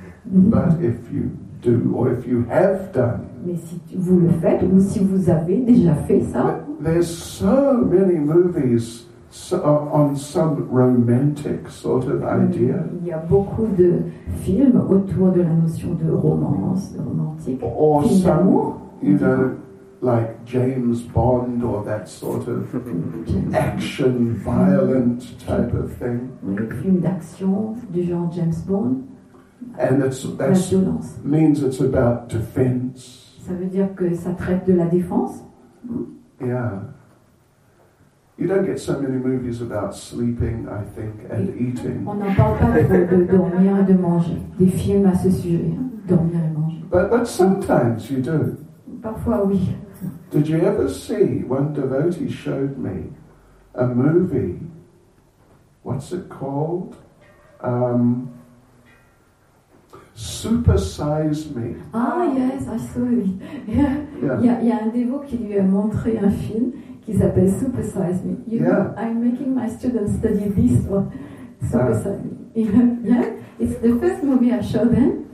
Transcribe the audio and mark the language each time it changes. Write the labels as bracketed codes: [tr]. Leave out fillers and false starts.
[en] But if you do, or if you have done. [fr] Mais si vous le faites, ou si vous avez déjà fait ça. [en] There's so many movies on some romantic sort of idea. [fr] Il y a beaucoup de films autour de la notion de romance, de romantique. [en] Or some, you know, like James Bond or that sort of action violent type of thing. [fr] Film d'action du genre James Bond. [en] And that's violence. Means it's about defense. [fr] Ça veut dire que ça traite de la défense. [en] Yeah. You don't get so many movies about sleeping, I think, and eating. [fr] On n'en parle pas de dormir et de manger. Des films à ce sujet, dormir et manger. [en] But sometimes you do. [fr] Parfois, oui. [en] Did you ever see, one devotee showed me, a movie, what's it called? Super Size Me. Ah, yes, I saw it. [fr] Il y a un dévot qui lui a montré un film qui s'appelle Super Size Me. [en] You know, I'm making my students study this one. Super Size Me. Yeah, it's the first movie I showed them.